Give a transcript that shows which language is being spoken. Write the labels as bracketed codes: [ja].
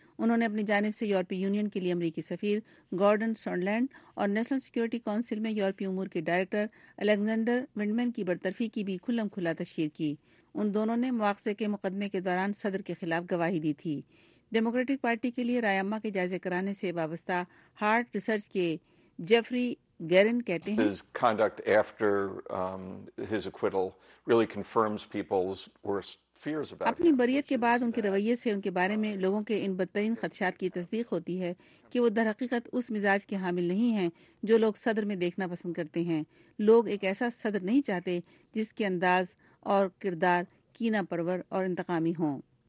[ur] انہوں نے اپنی جانب سے یورپی یونین کے لیے امریکی سفیر گارڈن سونلینڈ اور نیشنل سیکیورٹی کونسل میں یورپی امور کے ڈائریکٹر الیگزینڈر ونڈمین کی برطرفی کی بھی کھلم کھلا تشہیر کی. ان دونوں نے مواخذے کے مقدمے کے دوران صدر کے خلاف گواہی دی تھی. ڈیموکریٹک پارٹی کے لیے رائے عامہ کے جائزے کرانے سے وابستہ ہارٹ ریسرچ کے جیفری گیرن کہتے ہیں، [en] His conduct after his acquittal really confirms people's worst fears about [ur] اپنی بریت کے بعد ان کے رویے سے ان کے بارے میں لوگوں کے ان بدترین خدشات کی تصدیق ہوتی ہے کہ وہ درحقیقت اس مزاج کے حامل نہیں ہیں جو لوگ صدر میں دیکھنا پسند کرتے ہیں. لوگ ایک ایسا صدر نہیں چاہتے جس کے انداز اور کردار کینہ پرور اور انتقامی ہوں.